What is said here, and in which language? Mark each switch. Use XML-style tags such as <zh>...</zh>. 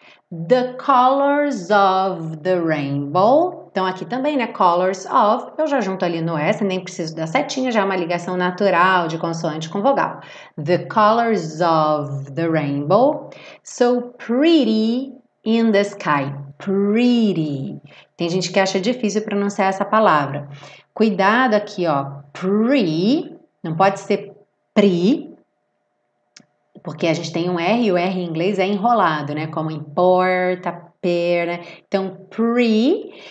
<en>The colors of the rainbow.</en> <pt>Então, aqui também, né? Colors of. Eu já junto ali no S, nem preciso da setinha, já é uma ligação natural de consoante com vogal.</pt> <en>The colors of the rainbow. So pretty in the sky. Pretty.</en> <pt>Tem gente que acha difícil pronunciar essa palavra. Cuidado aqui, ó. Pretty. Não pode ser pretty. Porque a gente tem um R e o R em inglês é enrolado, né? Como em porta, per, né? Então, pre.</pt>